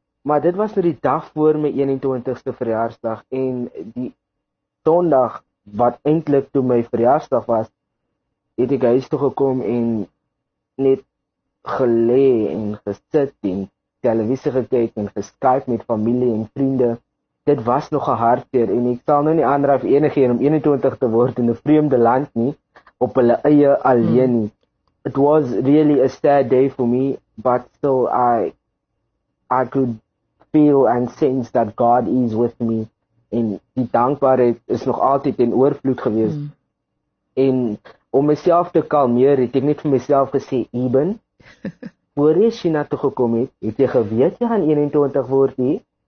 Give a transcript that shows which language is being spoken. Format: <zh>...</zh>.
<af>Maar dit was nou die dag voor my 21ste verjaarsdag en die donderdag wat eintlik toe my verjaarsdag was, het ek huis toe gekom en net gelê en gesit en televisie gekyk en geskype met familie en vriende. Dit was nog 'n hartseer en ek sal nou nie aandraf enigeen om 21 te word in 'n vreemde land nie, op hulle eie alleen nie.</af> <en>It was really a sad day for me, but still I could feel and sense that God is with me.</en> <af>En die dankbaarheid is nog altyd in oorvloed gewees. En om myself te kalmeer, het ek net vir myself gesê, Eben, voor jy China toe gekom het jy geweet jy gaan 21 word nie?</af>